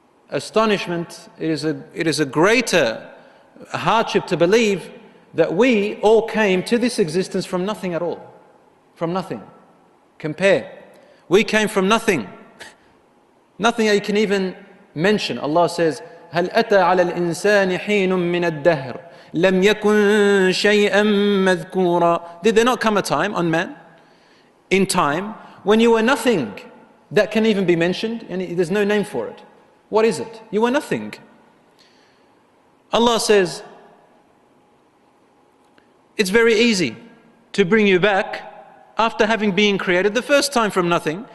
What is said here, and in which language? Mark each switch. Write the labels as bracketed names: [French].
[English] astonishment, it is a greater hardship to believe that we all came to this existence from nothing at all. From nothing. Compare. We came from nothing. Nothing that you can even mention. Allah says, [Arabic] هَلْ أَتَى عَلَى الْإِنسَانِ حِينٌ مِّنَ الدَّهْرِ لَمْ يَكُنْ شَيْئًا مَذْكُورًا. [English] Did there not come a time on man, in time, when you were nothing that can even be mentioned? And there's no name for it. What is it? You were nothing. Allah says, it's very easy to bring you back after having been created the first time from nothing.